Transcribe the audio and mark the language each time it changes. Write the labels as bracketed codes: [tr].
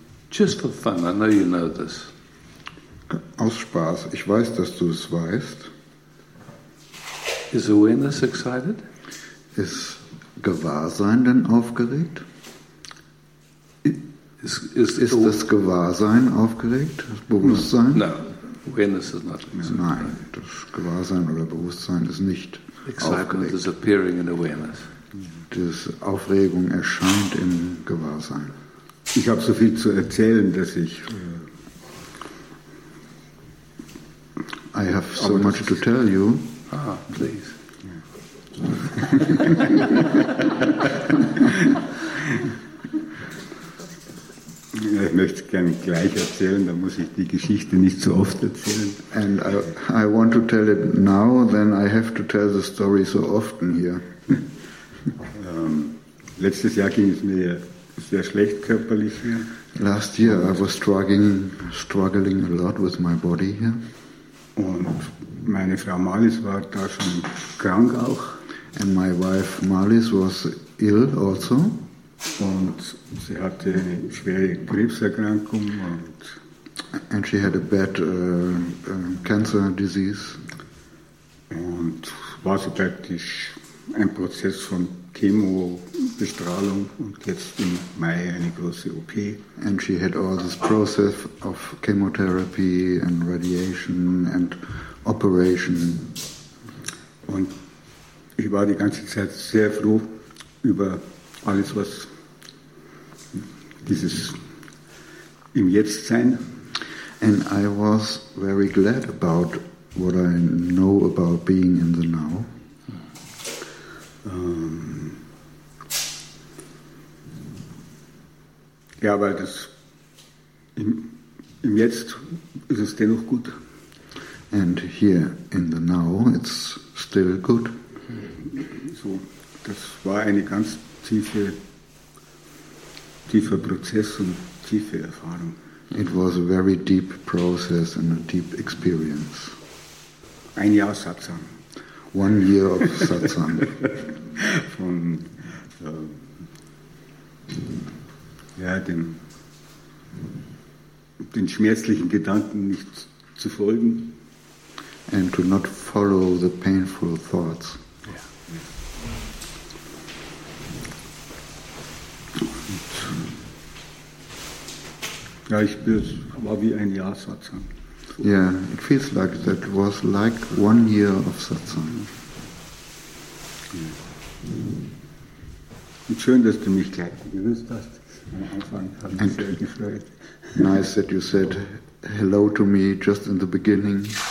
[en] Just for fun, I know you know this. [de] Aus Spaß, ich weiß, dass du es weißt. [en] Is awareness excited? [de] Ist Gewahrsein denn aufgeregt? Ist das Gewahrsein aufgeregt, das Bewusstsein? [en] No, awareness is not. [de] Nein, das Gewahrsein oder Bewusstsein ist nicht aufgeregt. [en] Is appearing in awareness. [de] Das Aufregung erscheint im Gewahrsein. Ich habe so viel zu erzählen, dass ich. [en] I have so much to tell you. Ah, please. [de] Ich möchte es gerne gleich erzählen, da muss ich die Geschichte nicht so oft erzählen. [en] And I want to tell it now, then I have to tell the story so often here. [de] Letztes Jahr ging es mir sehr schlecht körperlich hier. [en] Last year I was struggling a lot with my body here. [de] Und meine Frau Marlies war da schon krank auch. [en] And my wife Marlies was ill also. [de] Und sie hatte eine schwere Krebserkrankung und [en] she had a bad cancer disease. [de] Und war sie praktisch ein Prozess von Chemobestrahlung und jetzt im Mai eine große OP. [en] And she had all this process of chemotherapy and radiation and operation. [de] Und ich war die ganze Zeit sehr froh über alles, was dieses im Jetzt sein. [en] And I was very glad about what I know about being in the now. [de] Ja, weil das im Jetzt ist es dennoch gut. [en] And here in the now it's still good. [de] So, das war eine ganz tiefe Prozess und tiefe Erfahrung. [en] It was a very deep process and a deep experience. [de] Ein Jahr Satsang. [en] One year of Satsang. [de] Von den schmerzlichen Gedanken nicht zu folgen. [en] And to not follow the painful thoughts. [de] Ja, ich war wie ein Jahr Satsang. [en] Yeah, it feels like that was like one year of Satsang. [de] Und schön, dass du mich gleich gewusst hast. Am Anfang hat mich sehr gefreut. [en] Nice that you said hello to me just in the beginning.